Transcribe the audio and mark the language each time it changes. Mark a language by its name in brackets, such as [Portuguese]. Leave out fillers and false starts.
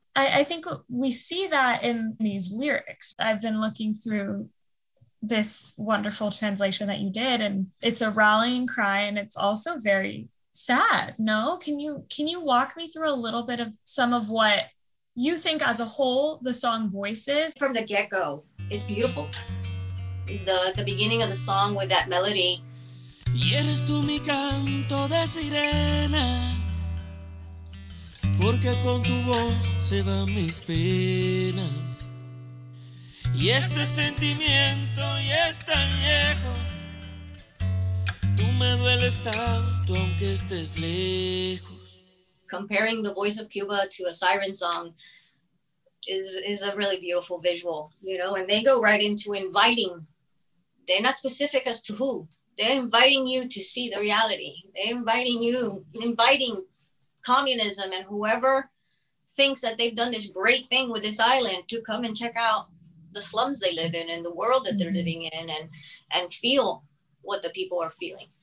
[English] I think we see that in these lyrics. I've been looking through this wonderful translation that you did, and it's a rallying cry, and it's also very sad. No, can you walk me through a little bit of some of what you think as a whole the song voices? From the get-go, it's beautiful. The beginning of the song with that melody. [Spanish] Y eres tú mi canto de sirena, porque con tu voz se van mis penas. Y este sentimiento ya es tan viejo, tú me dueles tanto aunque estés lejos. [English] Comparing the voice of Cuba to a siren song is a really beautiful visual, you know, and they go right into inviting. They're not specific as to who. They're inviting you to see the reality. They're inviting you, inviting communism and whoever thinks that they've done this great thing with this island to come and check out the slums they live in and the world that they're living in and feel what the people are feeling.